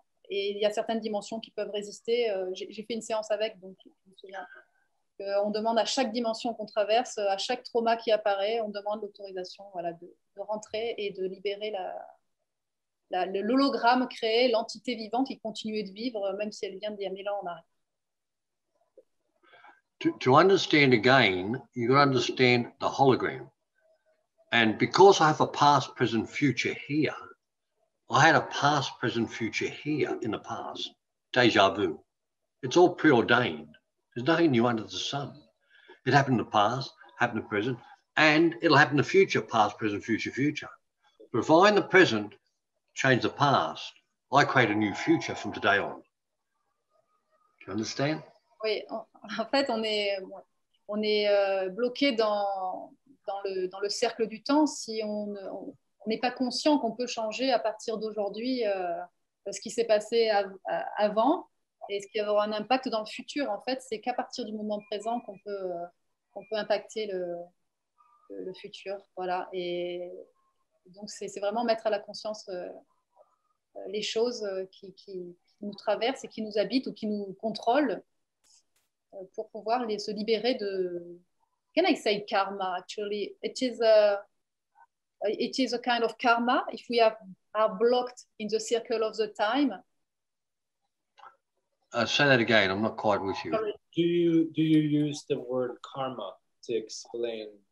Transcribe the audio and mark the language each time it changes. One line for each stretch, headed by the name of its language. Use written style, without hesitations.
French: Et il y a certaines dimensions qui peuvent résister. J'ai fait une séance avec, donc je me souviens. On demande à chaque dimension qu'on traverse, à chaque trauma qui apparaît, on demande l'autorisation, voilà, de rentrer et de libérer l'hologramme créé, l'entité vivante qui continuait de vivre, même si elle vient d'y aller là en arrière.
English: To understand again, you can understand the hologram. And because I have a past, present, future here, I had a past, present, future here in the past, déjà vu. It's all preordained. There's nothing new under the sun. It happened in the past, happened in the present, and it'll happen in the future, past, present, future, future. But if I, in the present, change the past, I create a new future from today on. Do you understand?
French: Oui, en fait, on est bloqué dans le cercle du temps si on n'est pas conscient qu'on peut changer à partir d'aujourd'hui ce qui s'est passé avant et ce qui aura un impact dans le futur. En fait, c'est qu'à partir du moment présent qu'on peut impacter le futur. Voilà. Et donc, c'est vraiment mettre à la conscience les choses qui nous traversent et qui nous habitent ou qui nous contrôlent pour pouvoir se libérer de...
English: Can I say karma, actually? It is a kind of karma if we are blocked in the circle of the time. Say that again. I'm not quite with you. Do you use the word karma to explain?